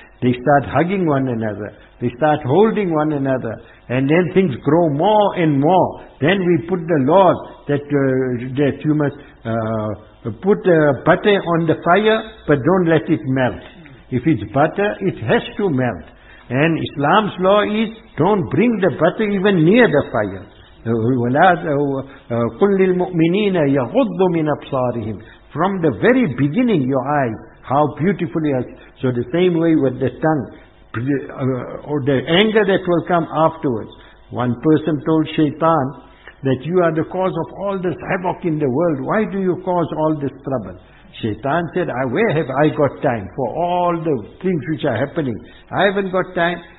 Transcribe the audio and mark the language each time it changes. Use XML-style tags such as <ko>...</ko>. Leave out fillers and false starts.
<en>They start hugging one another, they start holding one another, and then things grow more and more. Then we put the laws that, that you must put butter on the fire, but don't let it melt. If it's butter, it has to melt. And Islam's law is, don't bring the butter even near the fire.</en> <ar>قل للمؤمنين يغضوا من أبصارهم.</ar> <en>From the very beginning, your eyes, how beautiful it is. So the same way with the tongue, or the anger that will come afterwards. One person told Shaitan that you are the cause of all this havoc in the world. Why do you cause all this trouble? Shaitan said, where have I got time for all the things which are happening? I haven't got time.</en>